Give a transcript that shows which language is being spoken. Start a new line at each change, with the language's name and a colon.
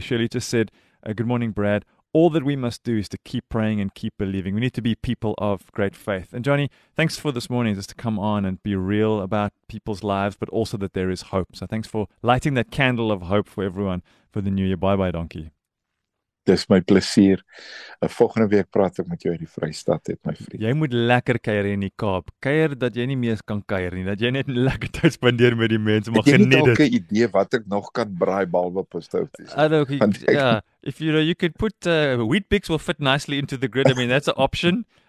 English: Shirley just said, good morning, Brad. All that we must do is to keep praying and keep believing. We need to be people of great faith. And Johnny, thanks for this morning just to come on and be real about people's lives, but also that there is hope. So thanks for lighting that candle of hope for everyone for the new year. Bye-bye, donkey.
Afrikaans: Dis my plesier. Volgende week praat ek met jou uit die Vrystaat, het my vriend. Jy moet lekker kuier in die Kaap. Kuier dat jy nie meer kan kuier nie, dat jy net lekker tyd spandeer met die mense, maar geniet dit. Ek het 'n idee wat ek nog kan braai behalwe pastouties.
English: If you know, you could put Weet-Bix will fit nicely into the grill. I mean, that's an option.